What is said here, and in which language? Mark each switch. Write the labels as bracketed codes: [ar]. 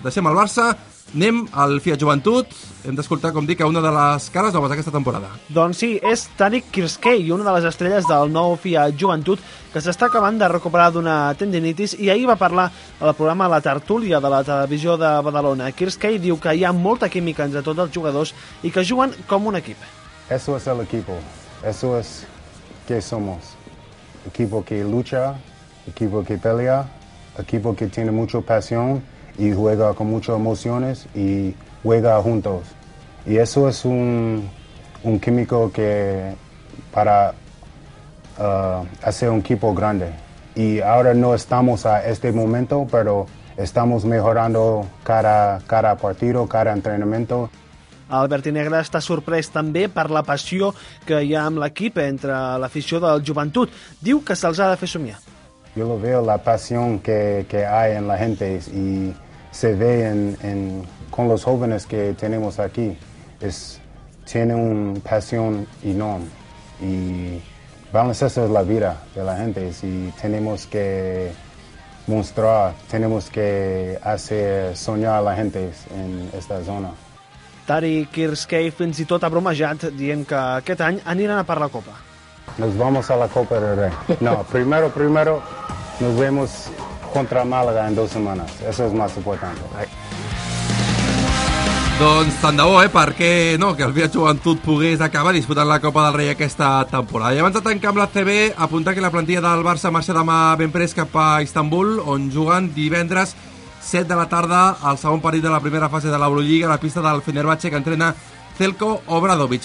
[ca] Deixem el Barça, anem al Fiat Joventut. Hem d'escoltar, com dic, a una de les cares noves d'aquesta temporada. Doncs sí, és Tanik Kirskey, una de les estrelles del nou Fiat Joventut, que s'està acabant de recuperar d'una tendinitis, i ahir va parlar al programa La Tertúlia de la televisió de Badalona. Kirskey diu que hi ha molta química entre tots els jugadors i que juguen com un equip. [es] Eso es el equipo, eso es que somos. Equipo que lucha, equipo que pelea, equipo que tiene mucha pasión y juega con muchas emociones y juega juntos. Y eso es un químico que para hacer un equipo grande. Y ahora no estamos a este momento, pero estamos mejorando cada partido, cada entrenamiento. [ca] Albert Inegra està sorprès també per la passió que hi ha amb l'equip entre l'afició del Joventut. Diu que se'ls ha de fer somiar. [es] Yo lo veo la pasión que hay en la gente y se ve en con los jóvenes que tenemos aquí. Tiene una pasión enorme y baloncesto es la vida de la gente y tenemos que mostrar, tenemos que hacer soñar a la gente en esta zona. [ca] Tari Kirskey fins i tot ha bromejat dient que aquest any aniran a per la Copa. [es] Nos vamos a la Copa del Rey. No, primero nos vemos contra Málaga en 2 semanas. Eso es más importante. [ca] Doncs tant de bo, perquè no, que el Via Joventut pogués acabar disputant la Copa del Rei aquesta temporada. I abans de tancar amb la CB, apuntar que la plantilla del Barça marxa demà ben prest cap a Istanbul, on juguen divendres 7 de la tarda el segon partit de la primera fase de l'Euroliga a la pista del Fenerbahçe, que entrena Zeljko Obradovic.